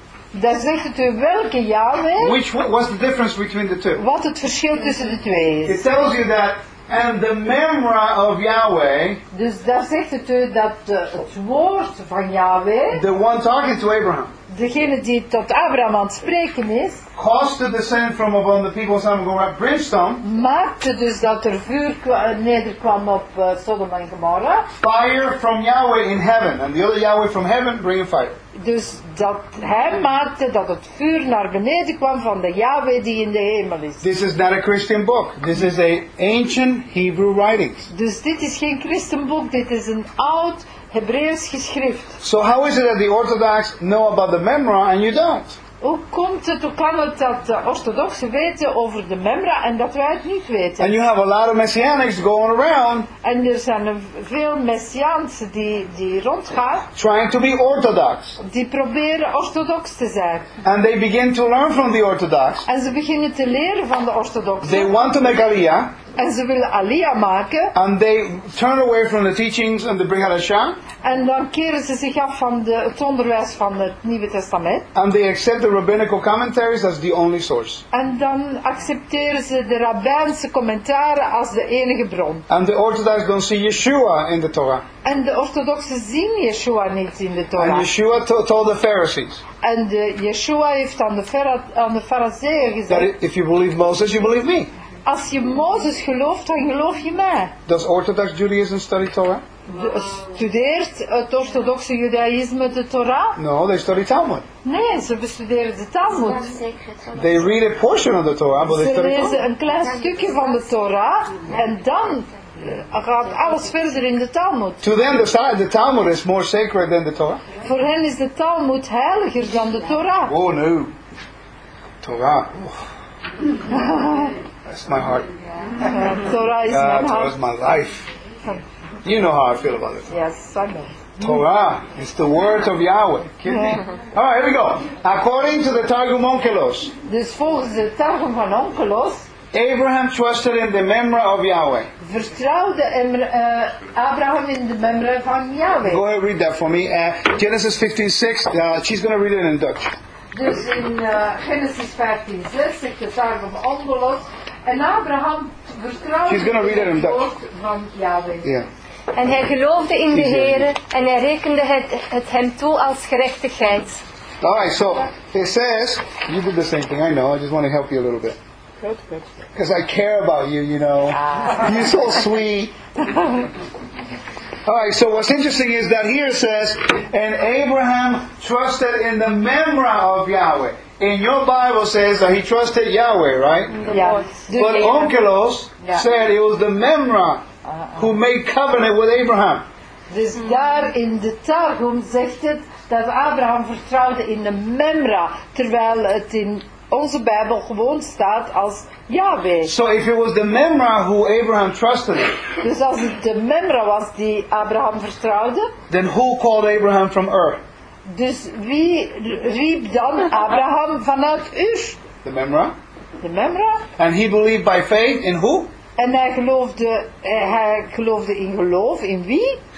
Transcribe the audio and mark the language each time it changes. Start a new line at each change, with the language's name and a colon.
Dutch: Daar zegt het u welke Yahweh.
English: Which was the difference between the two?
Dutch: Wat het verschil tussen de twee is.
English: It tells you that, and the memra of Yahweh.
Dutch: Dus daar zegt het u dat het woord van Yahweh.
English: The one talking to Abraham.
Dutch: Degene die tot Abraham aan het spreken is.
English: Caused to descend from upon the people of Sodom and Gomorrah brimstone.
Dutch: Maakte dus dat er vuur nederkwam op Sodom en Gomorrah.
English: Fire from Yahweh in heaven, and the other Yahweh from heaven bringing fire.
Dutch: dus dat hij maakte dat het vuur naar beneden kwam van de Yahweh die in de hemel is.
English: This is not a Christian book. This is a ancient Hebrew writings.
Dutch: Dus dit is geen christenboek, dit is een oud Hebreeuws geschrift.
English: So how is it that the Orthodox know about the Memra and you don't?
Dutch: Hoe komt het, hoe kan het dat de orthodoxen weten over de Memra en dat wij het niet weten?
English: And you have a lot of messianics going around.
Dutch: En er zijn veel messiaansen die rondgaan.
English: Trying to be orthodox.
Dutch: Die proberen orthodox te zijn.
English: And they begin to learn from the orthodox.
Dutch: En ze beginnen te leren van de orthodoxen.
English: They want to make aliyah.
Dutch: En ze willen aliyah maken.
English: And they turn away from the teachings and the Brihat Hashem.
Dutch: En dan keren ze zich af van het onderwijs van het Nieuwe Testament.
English: And they accept the rabbinical commentaries as the only source.
Dutch: En dan accepteren ze de rabbijnse commentaren als de enige bron.
English: And the Orthodox don't see Yeshua in the Torah.
Dutch: En de orthodoxen zien Yeshua niet in de Torah.
English: And Yeshua told the Pharisees.
Dutch: En Yeshua heeft aan de Farizeeën gezegd.
English: That if you believe Moses, you believe me.
Dutch: Als je Mozes gelooft, dan geloof je mij.
English: Does Orthodox Judaism study Torah?
Dutch: Studeert het orthodoxe Judaïsme de Torah?
English: No, they study Talmud.
Dutch: Nee, ze bestuderen de Talmud.
English: They read a portion of the Torah, but they study Talmud.
Dutch: Ze lezen een klein stukje van de Torah en dan gaat alles verder in de Talmud.
English: To them, the Talmud is more sacred than the Torah.
Dutch: Voor hen is de Talmud heiliger dan de Torah.
English: Oh no, Torah. That's my heart. Torah is my heart. Torah is my life. You know how I feel about it. Yes, I know. Torah is the word of Yahweh. All right, here we go. According to the Targum Onkelos.
Dutch: Dus volgens de Targum van Onkelos.
English: Abraham trusted in the Memra of Yahweh.
Dutch: Vertrouwde Abraham in de Memra van Yahweh.
English: Go ahead, read that for me. Genesis 15:6. She's going to read it in Dutch.
Dutch: Dus in Genesis 15:6 zegt de Targum Onkelos. En Abraham vertrouwde in de woord van Yahweh.
English: Yeah.
Dutch: En hij geloofde in de Heere en hij rekende het hem toe als gerechtigheid.
English: All right, so it says, you did the same thing, I know, I just want to help you a little bit. Because I care about you, you know. You're so sweet. All right, so what's interesting is that here it says, and Abraham trusted in the Memra of Yahweh. In your Bible says that he trusted Yahweh, right? Yes. But Onkelos said it was the Memra who made covenant with Abraham.
Dutch: Dus daar in de Targum zegt het dat Abraham vertrouwde in de Memra, terwijl het in onze Bijbel gewoon staat als Yahweh.
English: So if it was the Memra who Abraham trusted in.
Dutch: Dus als het de Memra was die Abraham vertrouwde.
English: Then who called Abraham from Ur?
Dutch: Dus wie riep dan Abraham vanuit Ur?
English: The Memra. The Memra. And he believed by faith in who?
Dutch: En hij geloofde in geloof in wie?